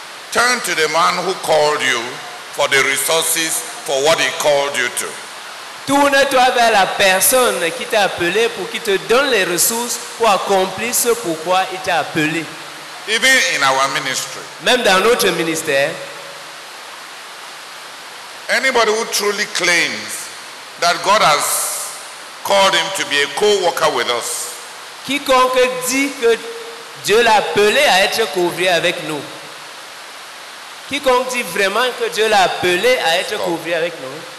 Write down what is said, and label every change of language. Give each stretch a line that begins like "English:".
English: Turn to the man who called you for the resources for what he called you to.
French: Tourne-toi vers la personne qui t'a appelé pour qu'il te donne les ressources pour accomplir ce pourquoi il t'a appelé.
English: Even in our ministry.
French: Même dans notre ministère.
English: Anybody who truly claims that God has called him to be a co-worker with us.
French: Quiconque dit que Dieu l'a appelé à être couvrier avec nous. Quiconque dit vraiment que Dieu l'a appelé à être couvrier avec nous.